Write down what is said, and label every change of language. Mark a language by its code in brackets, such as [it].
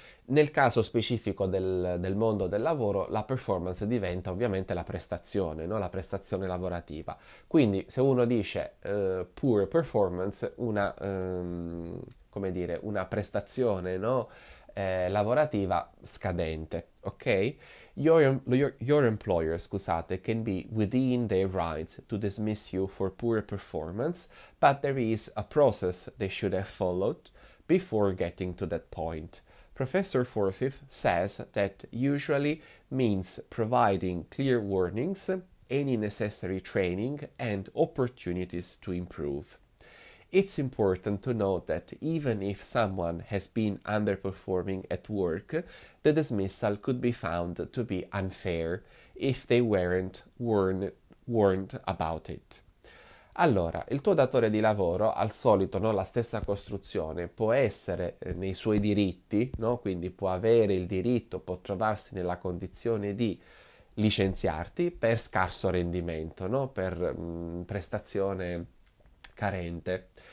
[it] Nel caso specifico del mondo del lavoro, la performance diventa ovviamente la prestazione, no? La prestazione lavorativa. Quindi, se uno dice poor performance, come dire, una prestazione, no? Lavorativa scadente, ok? [en] Your employer, [it] scusate, [en] can be within their rights to dismiss you for poor performance, but there is a process they should have followed before getting to that point. Professor Forsyth says that usually means providing clear warnings, any necessary training, and opportunities to improve. It's important to note that even if someone has been underperforming at work, the dismissal could be found to be unfair if they weren't warned about it. [it] Allora, il tuo datore di lavoro, al solito, no, la stessa costruzione, può essere nei suoi diritti, no? Quindi può avere il diritto, può trovarsi nella condizione di licenziarti per scarso rendimento, no? Per prestazione carente.